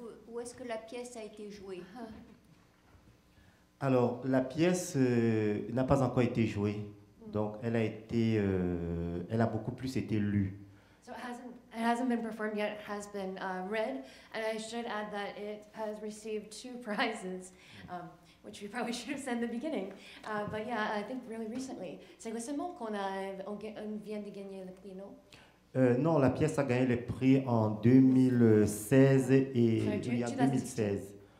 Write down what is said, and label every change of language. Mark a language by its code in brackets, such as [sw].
[fr] Où est-ce que la pièce a été jouée? Alors, la pièce n'a pas encore été jouée. Donc, elle a beaucoup plus été lue. [en] So it hasn't been performed yet, it has been read. And I should add that it has received 2 prizes, which we probably should have said in the beginning. But yeah, I think really recently. [fr] C'est récemment qu'on vient de gagner le prix, non? Non, la pièce a gagné le prix en 2016.